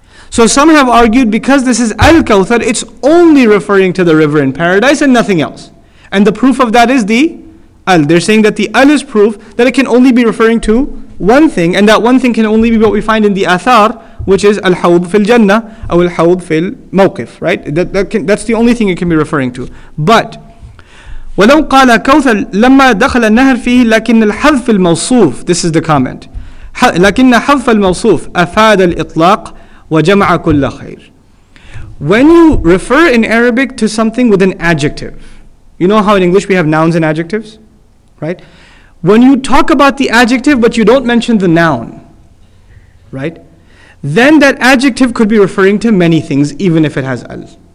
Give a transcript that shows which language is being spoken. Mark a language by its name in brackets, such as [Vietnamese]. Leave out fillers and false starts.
[English] So some have argued because this is al kawthar, it's only referring to the river in paradise and nothing else. And the proof of that is the al. They're saying that the al is proof that it can only be referring to one thing, and that one thing can only be what we find in the athar, which is al-hawd fil jannah or al-hawd fil mawqif, right? That's the only thing it can be referring to. But [Arabic] ولو قال كوثر لما دخل النهر فيه لكن الحذف الموصوف, [English] this is the comment, [Arabic] لكن حذف الموصوف أفاد الإطلاق وجمع كل خير. [English] When you refer in Arabic to something with an adjective, you know how in English we have nouns and adjectives, right? When you talk about the adjective but you don't mention the noun, right? Then that adjective could be referring to many things, even if it has al.